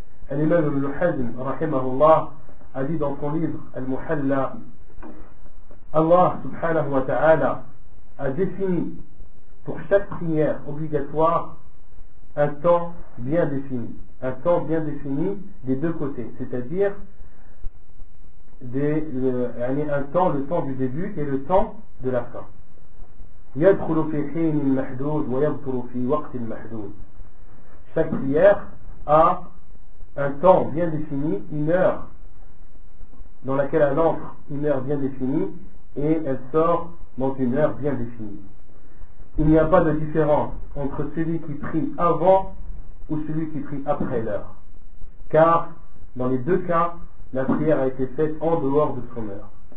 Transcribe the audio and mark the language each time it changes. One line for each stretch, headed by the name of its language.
French: Al-Imam Ibn Hazm,
Arabic: rahimahullah,
French: a dit dans son livre Al-Muhalla, Allah
Arabic: subhanahu wa ta'ala
French: a défini pour chaque prière obligatoire un temps bien défini. Un temps bien défini des deux côtés, c'est-à-dire le temps du début et le temps de la fin.
Arabic: يدخل في حين محدود ويبطل في وقت محدود.
French: Chaque prière a un temps bien défini, une heure dans laquelle elle entre, une heure bien définie, et elle sort dans une heure bien définie. Il n'y a pas de différence entre celui qui prie avant ou celui qui prie après l'heure, car dans les deux cas la prière a été faite en dehors de son heure.